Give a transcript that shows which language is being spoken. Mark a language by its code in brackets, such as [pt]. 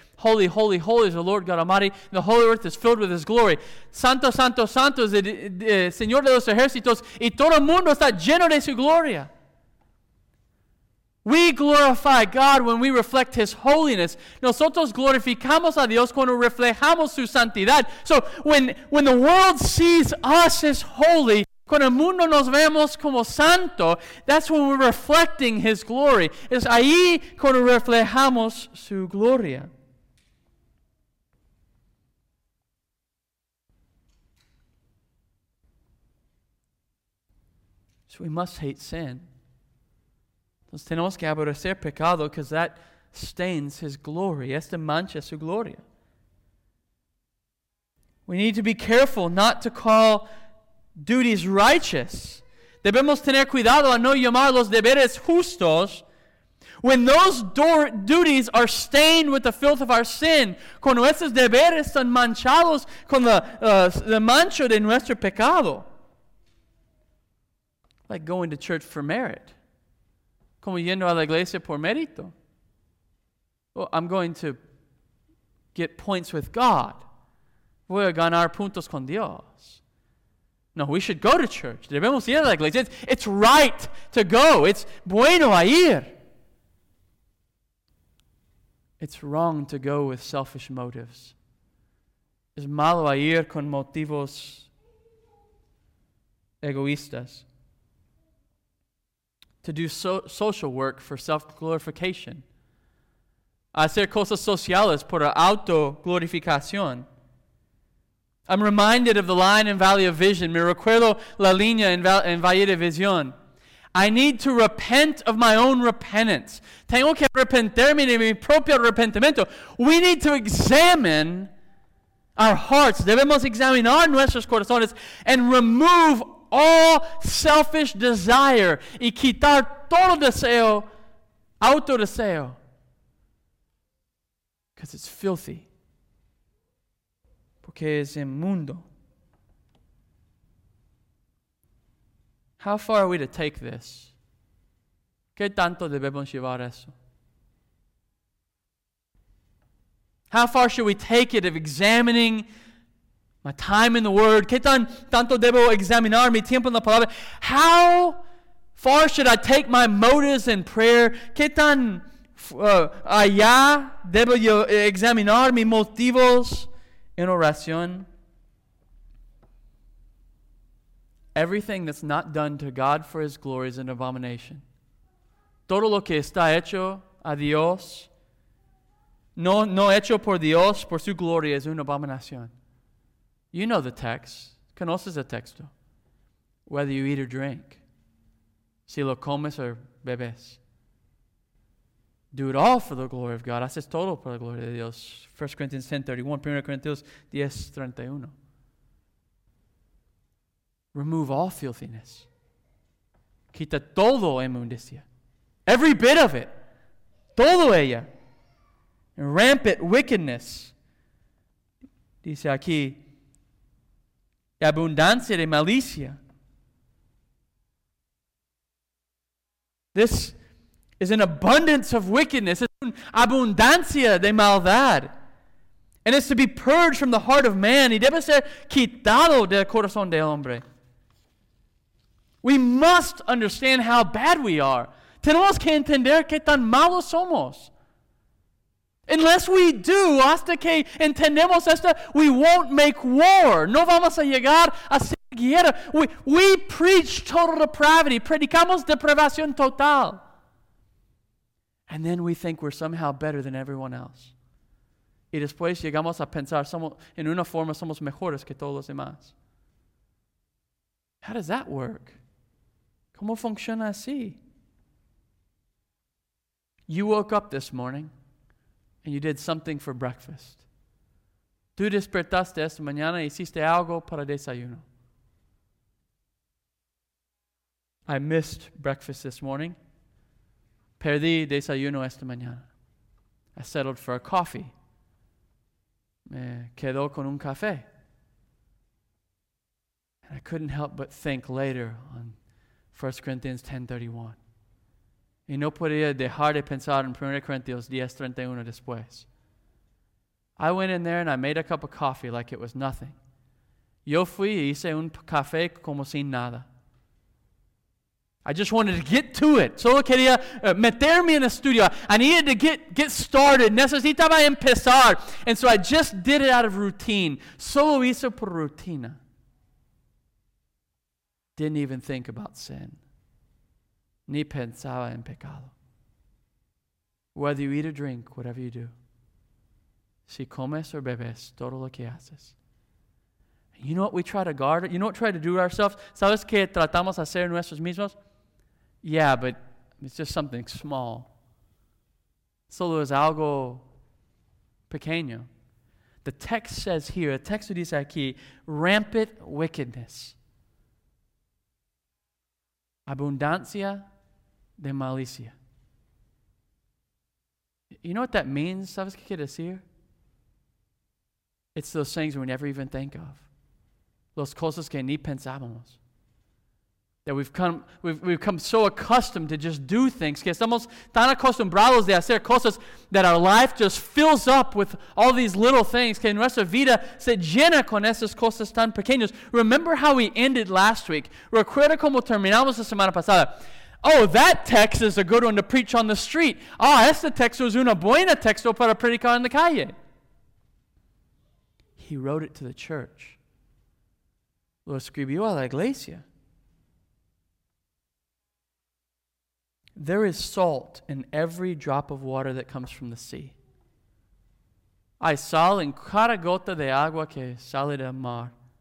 [en] Holy, holy, holy is the Lord God Almighty. The whole earth is filled with His glory. [es] Santo, santo, santo es el Señor de los ejércitos. Y todo el mundo está lleno de su gloria. [en] We glorify God when we reflect His holiness. [es] Nosotros glorificamos a Dios cuando reflejamos su santidad. [en] So when the world sees us as holy, [es] cuando el mundo nos vemos como santo, [en] that's when we're reflecting His glory. [es] Es ahí cuando reflejamos su gloria. [en] So we must hate sin. [es] Tenemos que aborrecer pecado [en] because that stains His glory. [es] Esta mancha su gloria. [en] We need to be careful not to call duties righteous. [es] Debemos tener cuidado a no llamar los deberes justos. [en] When those duties are stained with the filth of our sin, [es] cuando esos deberes están manchados con la mancha de nuestro pecado. [en] Like going to church for merit. [es] Como yendo a la iglesia por mérito. [en] Well, I'm going to get points with God. [es] Voy a ganar puntos con Dios. [en] No, we should go to church. [es] Debemos ir a la iglesia. [en] It's right to go. It's [es] bueno a ir. [en] It's wrong to go with selfish motives. [es] Es malo a ir con motivos egoístas. [en] To do social work for self-glorification. [es] Hacer cosas sociales por autoglorificación. [en] I'm reminded of the line in Valley of Vision. [es] Me recuerdo la línea en Valle de Vision. [en] I need to repent of my own repentance. [es] Tengo que arrepentirme de mi propio arrepentimiento. [en] We need to examine our hearts. [es] Debemos examinar nuestros corazones [en] and remove all selfish desire [es] y quitar todo deseo, autodeseo. [en] Because it's filthy. [es] Porque es inmundo. [en] How far are we to take this? [es] ¿Qué tanto debemos llevar eso? [en] How far should we take it of examining my time in the Word? [es] ¿Qué tanto debo examinar mi tiempo en la palabra? [en] How far should I take my motives in prayer? [es] ¿Qué tan allá debo yo examinar mis motivos en oración? [en] Everything that's not done to God for His glory is an abomination. [es] Todo lo que está hecho a Dios, no hecho por Dios, por su gloria, es una abominación. [en] You know the text. [es] Conoces el texto. [en] Whether you eat or drink, [es] si lo comes [en] or bebes. Do it all for the glory of God. [es] Haces todo por la gloria de Dios. 1 Corinthians 10:31, 1 Corinthians 10:31. [en] Remove all filthiness. [es] Quita todo inmundicia. [en] Every bit of it. [es] Todo ella. [en] Rampant wickedness. [es] Dice aquí, abundancia de malicia. [en] This is an abundance of wickedness. It's an [es] abundancia de maldad. [en] And it's to be purged from the heart of man. [es] Y debe ser quitado del corazón del hombre. [en] We must understand how bad we are. [es] Tenemos que entender qué tan malos somos. [en] Unless we do, [es] hasta que entendemos esto, [en] we won't make war. [es] No vamos a llegar a ser guerra. [en] We preach total depravity. [es] Predicamos depravación total. [en] And then we think we're somehow better than everyone else. [es] Y después llegamos a pensar somos, en una forma somos mejores que todos los demás. [en] How does that work? [es] ¿Cómo funciona así? [en] You woke up this morning and you did something for breakfast. [es] Tú despertaste esta mañana y hiciste algo para desayuno. [en] I missed breakfast this morning. [es] Perdí desayuno esta mañana. [en] I settled for a coffee. [es] Me quedó con un café. [en] And I couldn't help but think later on 1 Corinthians 10:31. [es] Y no podía dejar de pensar en 1 Corinthians 10:31 después. [en] I went in there and I made a cup of coffee like it was nothing. [es] Yo fui y hice un café como sin nada. [en] I just wanted to get to it. [es] Solo quería meterme en el estudio. [en] I needed to get started. [es] Necesitaba empezar. [en] And so I just did it out of routine. [es] Solo hice por rutina. [en] Didn't even think about sin. [es] Ni pensaba en pecado. [en] Whether you eat or drink, whatever you do. [es] Si comes o bebes, todo lo que haces. [en] You know what we try to guard? You know what we try to do ourselves? [es] ¿Sabes qué tratamos de hacer nuestros mismos? [en] Yeah, but it's just something small. [es] Solo es algo pequeño. [en] The text says here, the text [es] dice aquí, [en] rampant wickedness. [es] Abundancia de malicia. [en] You know what that means? [es] ¿Sabes qué quiere decir? [en] It's those things we never even think of. [es] Los cosas que ni pensábamos. [en] That we've come so accustomed to just do things, [es] que estamos tan acostumbrados de hacer cosas [en] that our life just fills up with all these little things, [es] que nuestra vida se llena con esas cosas tan pequeñas. [en] Remember how we ended last week? [es] Recuerda cómo terminamos la semana pasada. [en] Oh, that text is a good one to preach on the street. [es] Ah, este texto es una buena texto para predicar en la calle. [en] He wrote it to the church. [es] Lo escribió a la iglesia. [en] There is salt in every drop of water that comes from the sea. [es] Hay sal en cada gota de agua que sale del mar.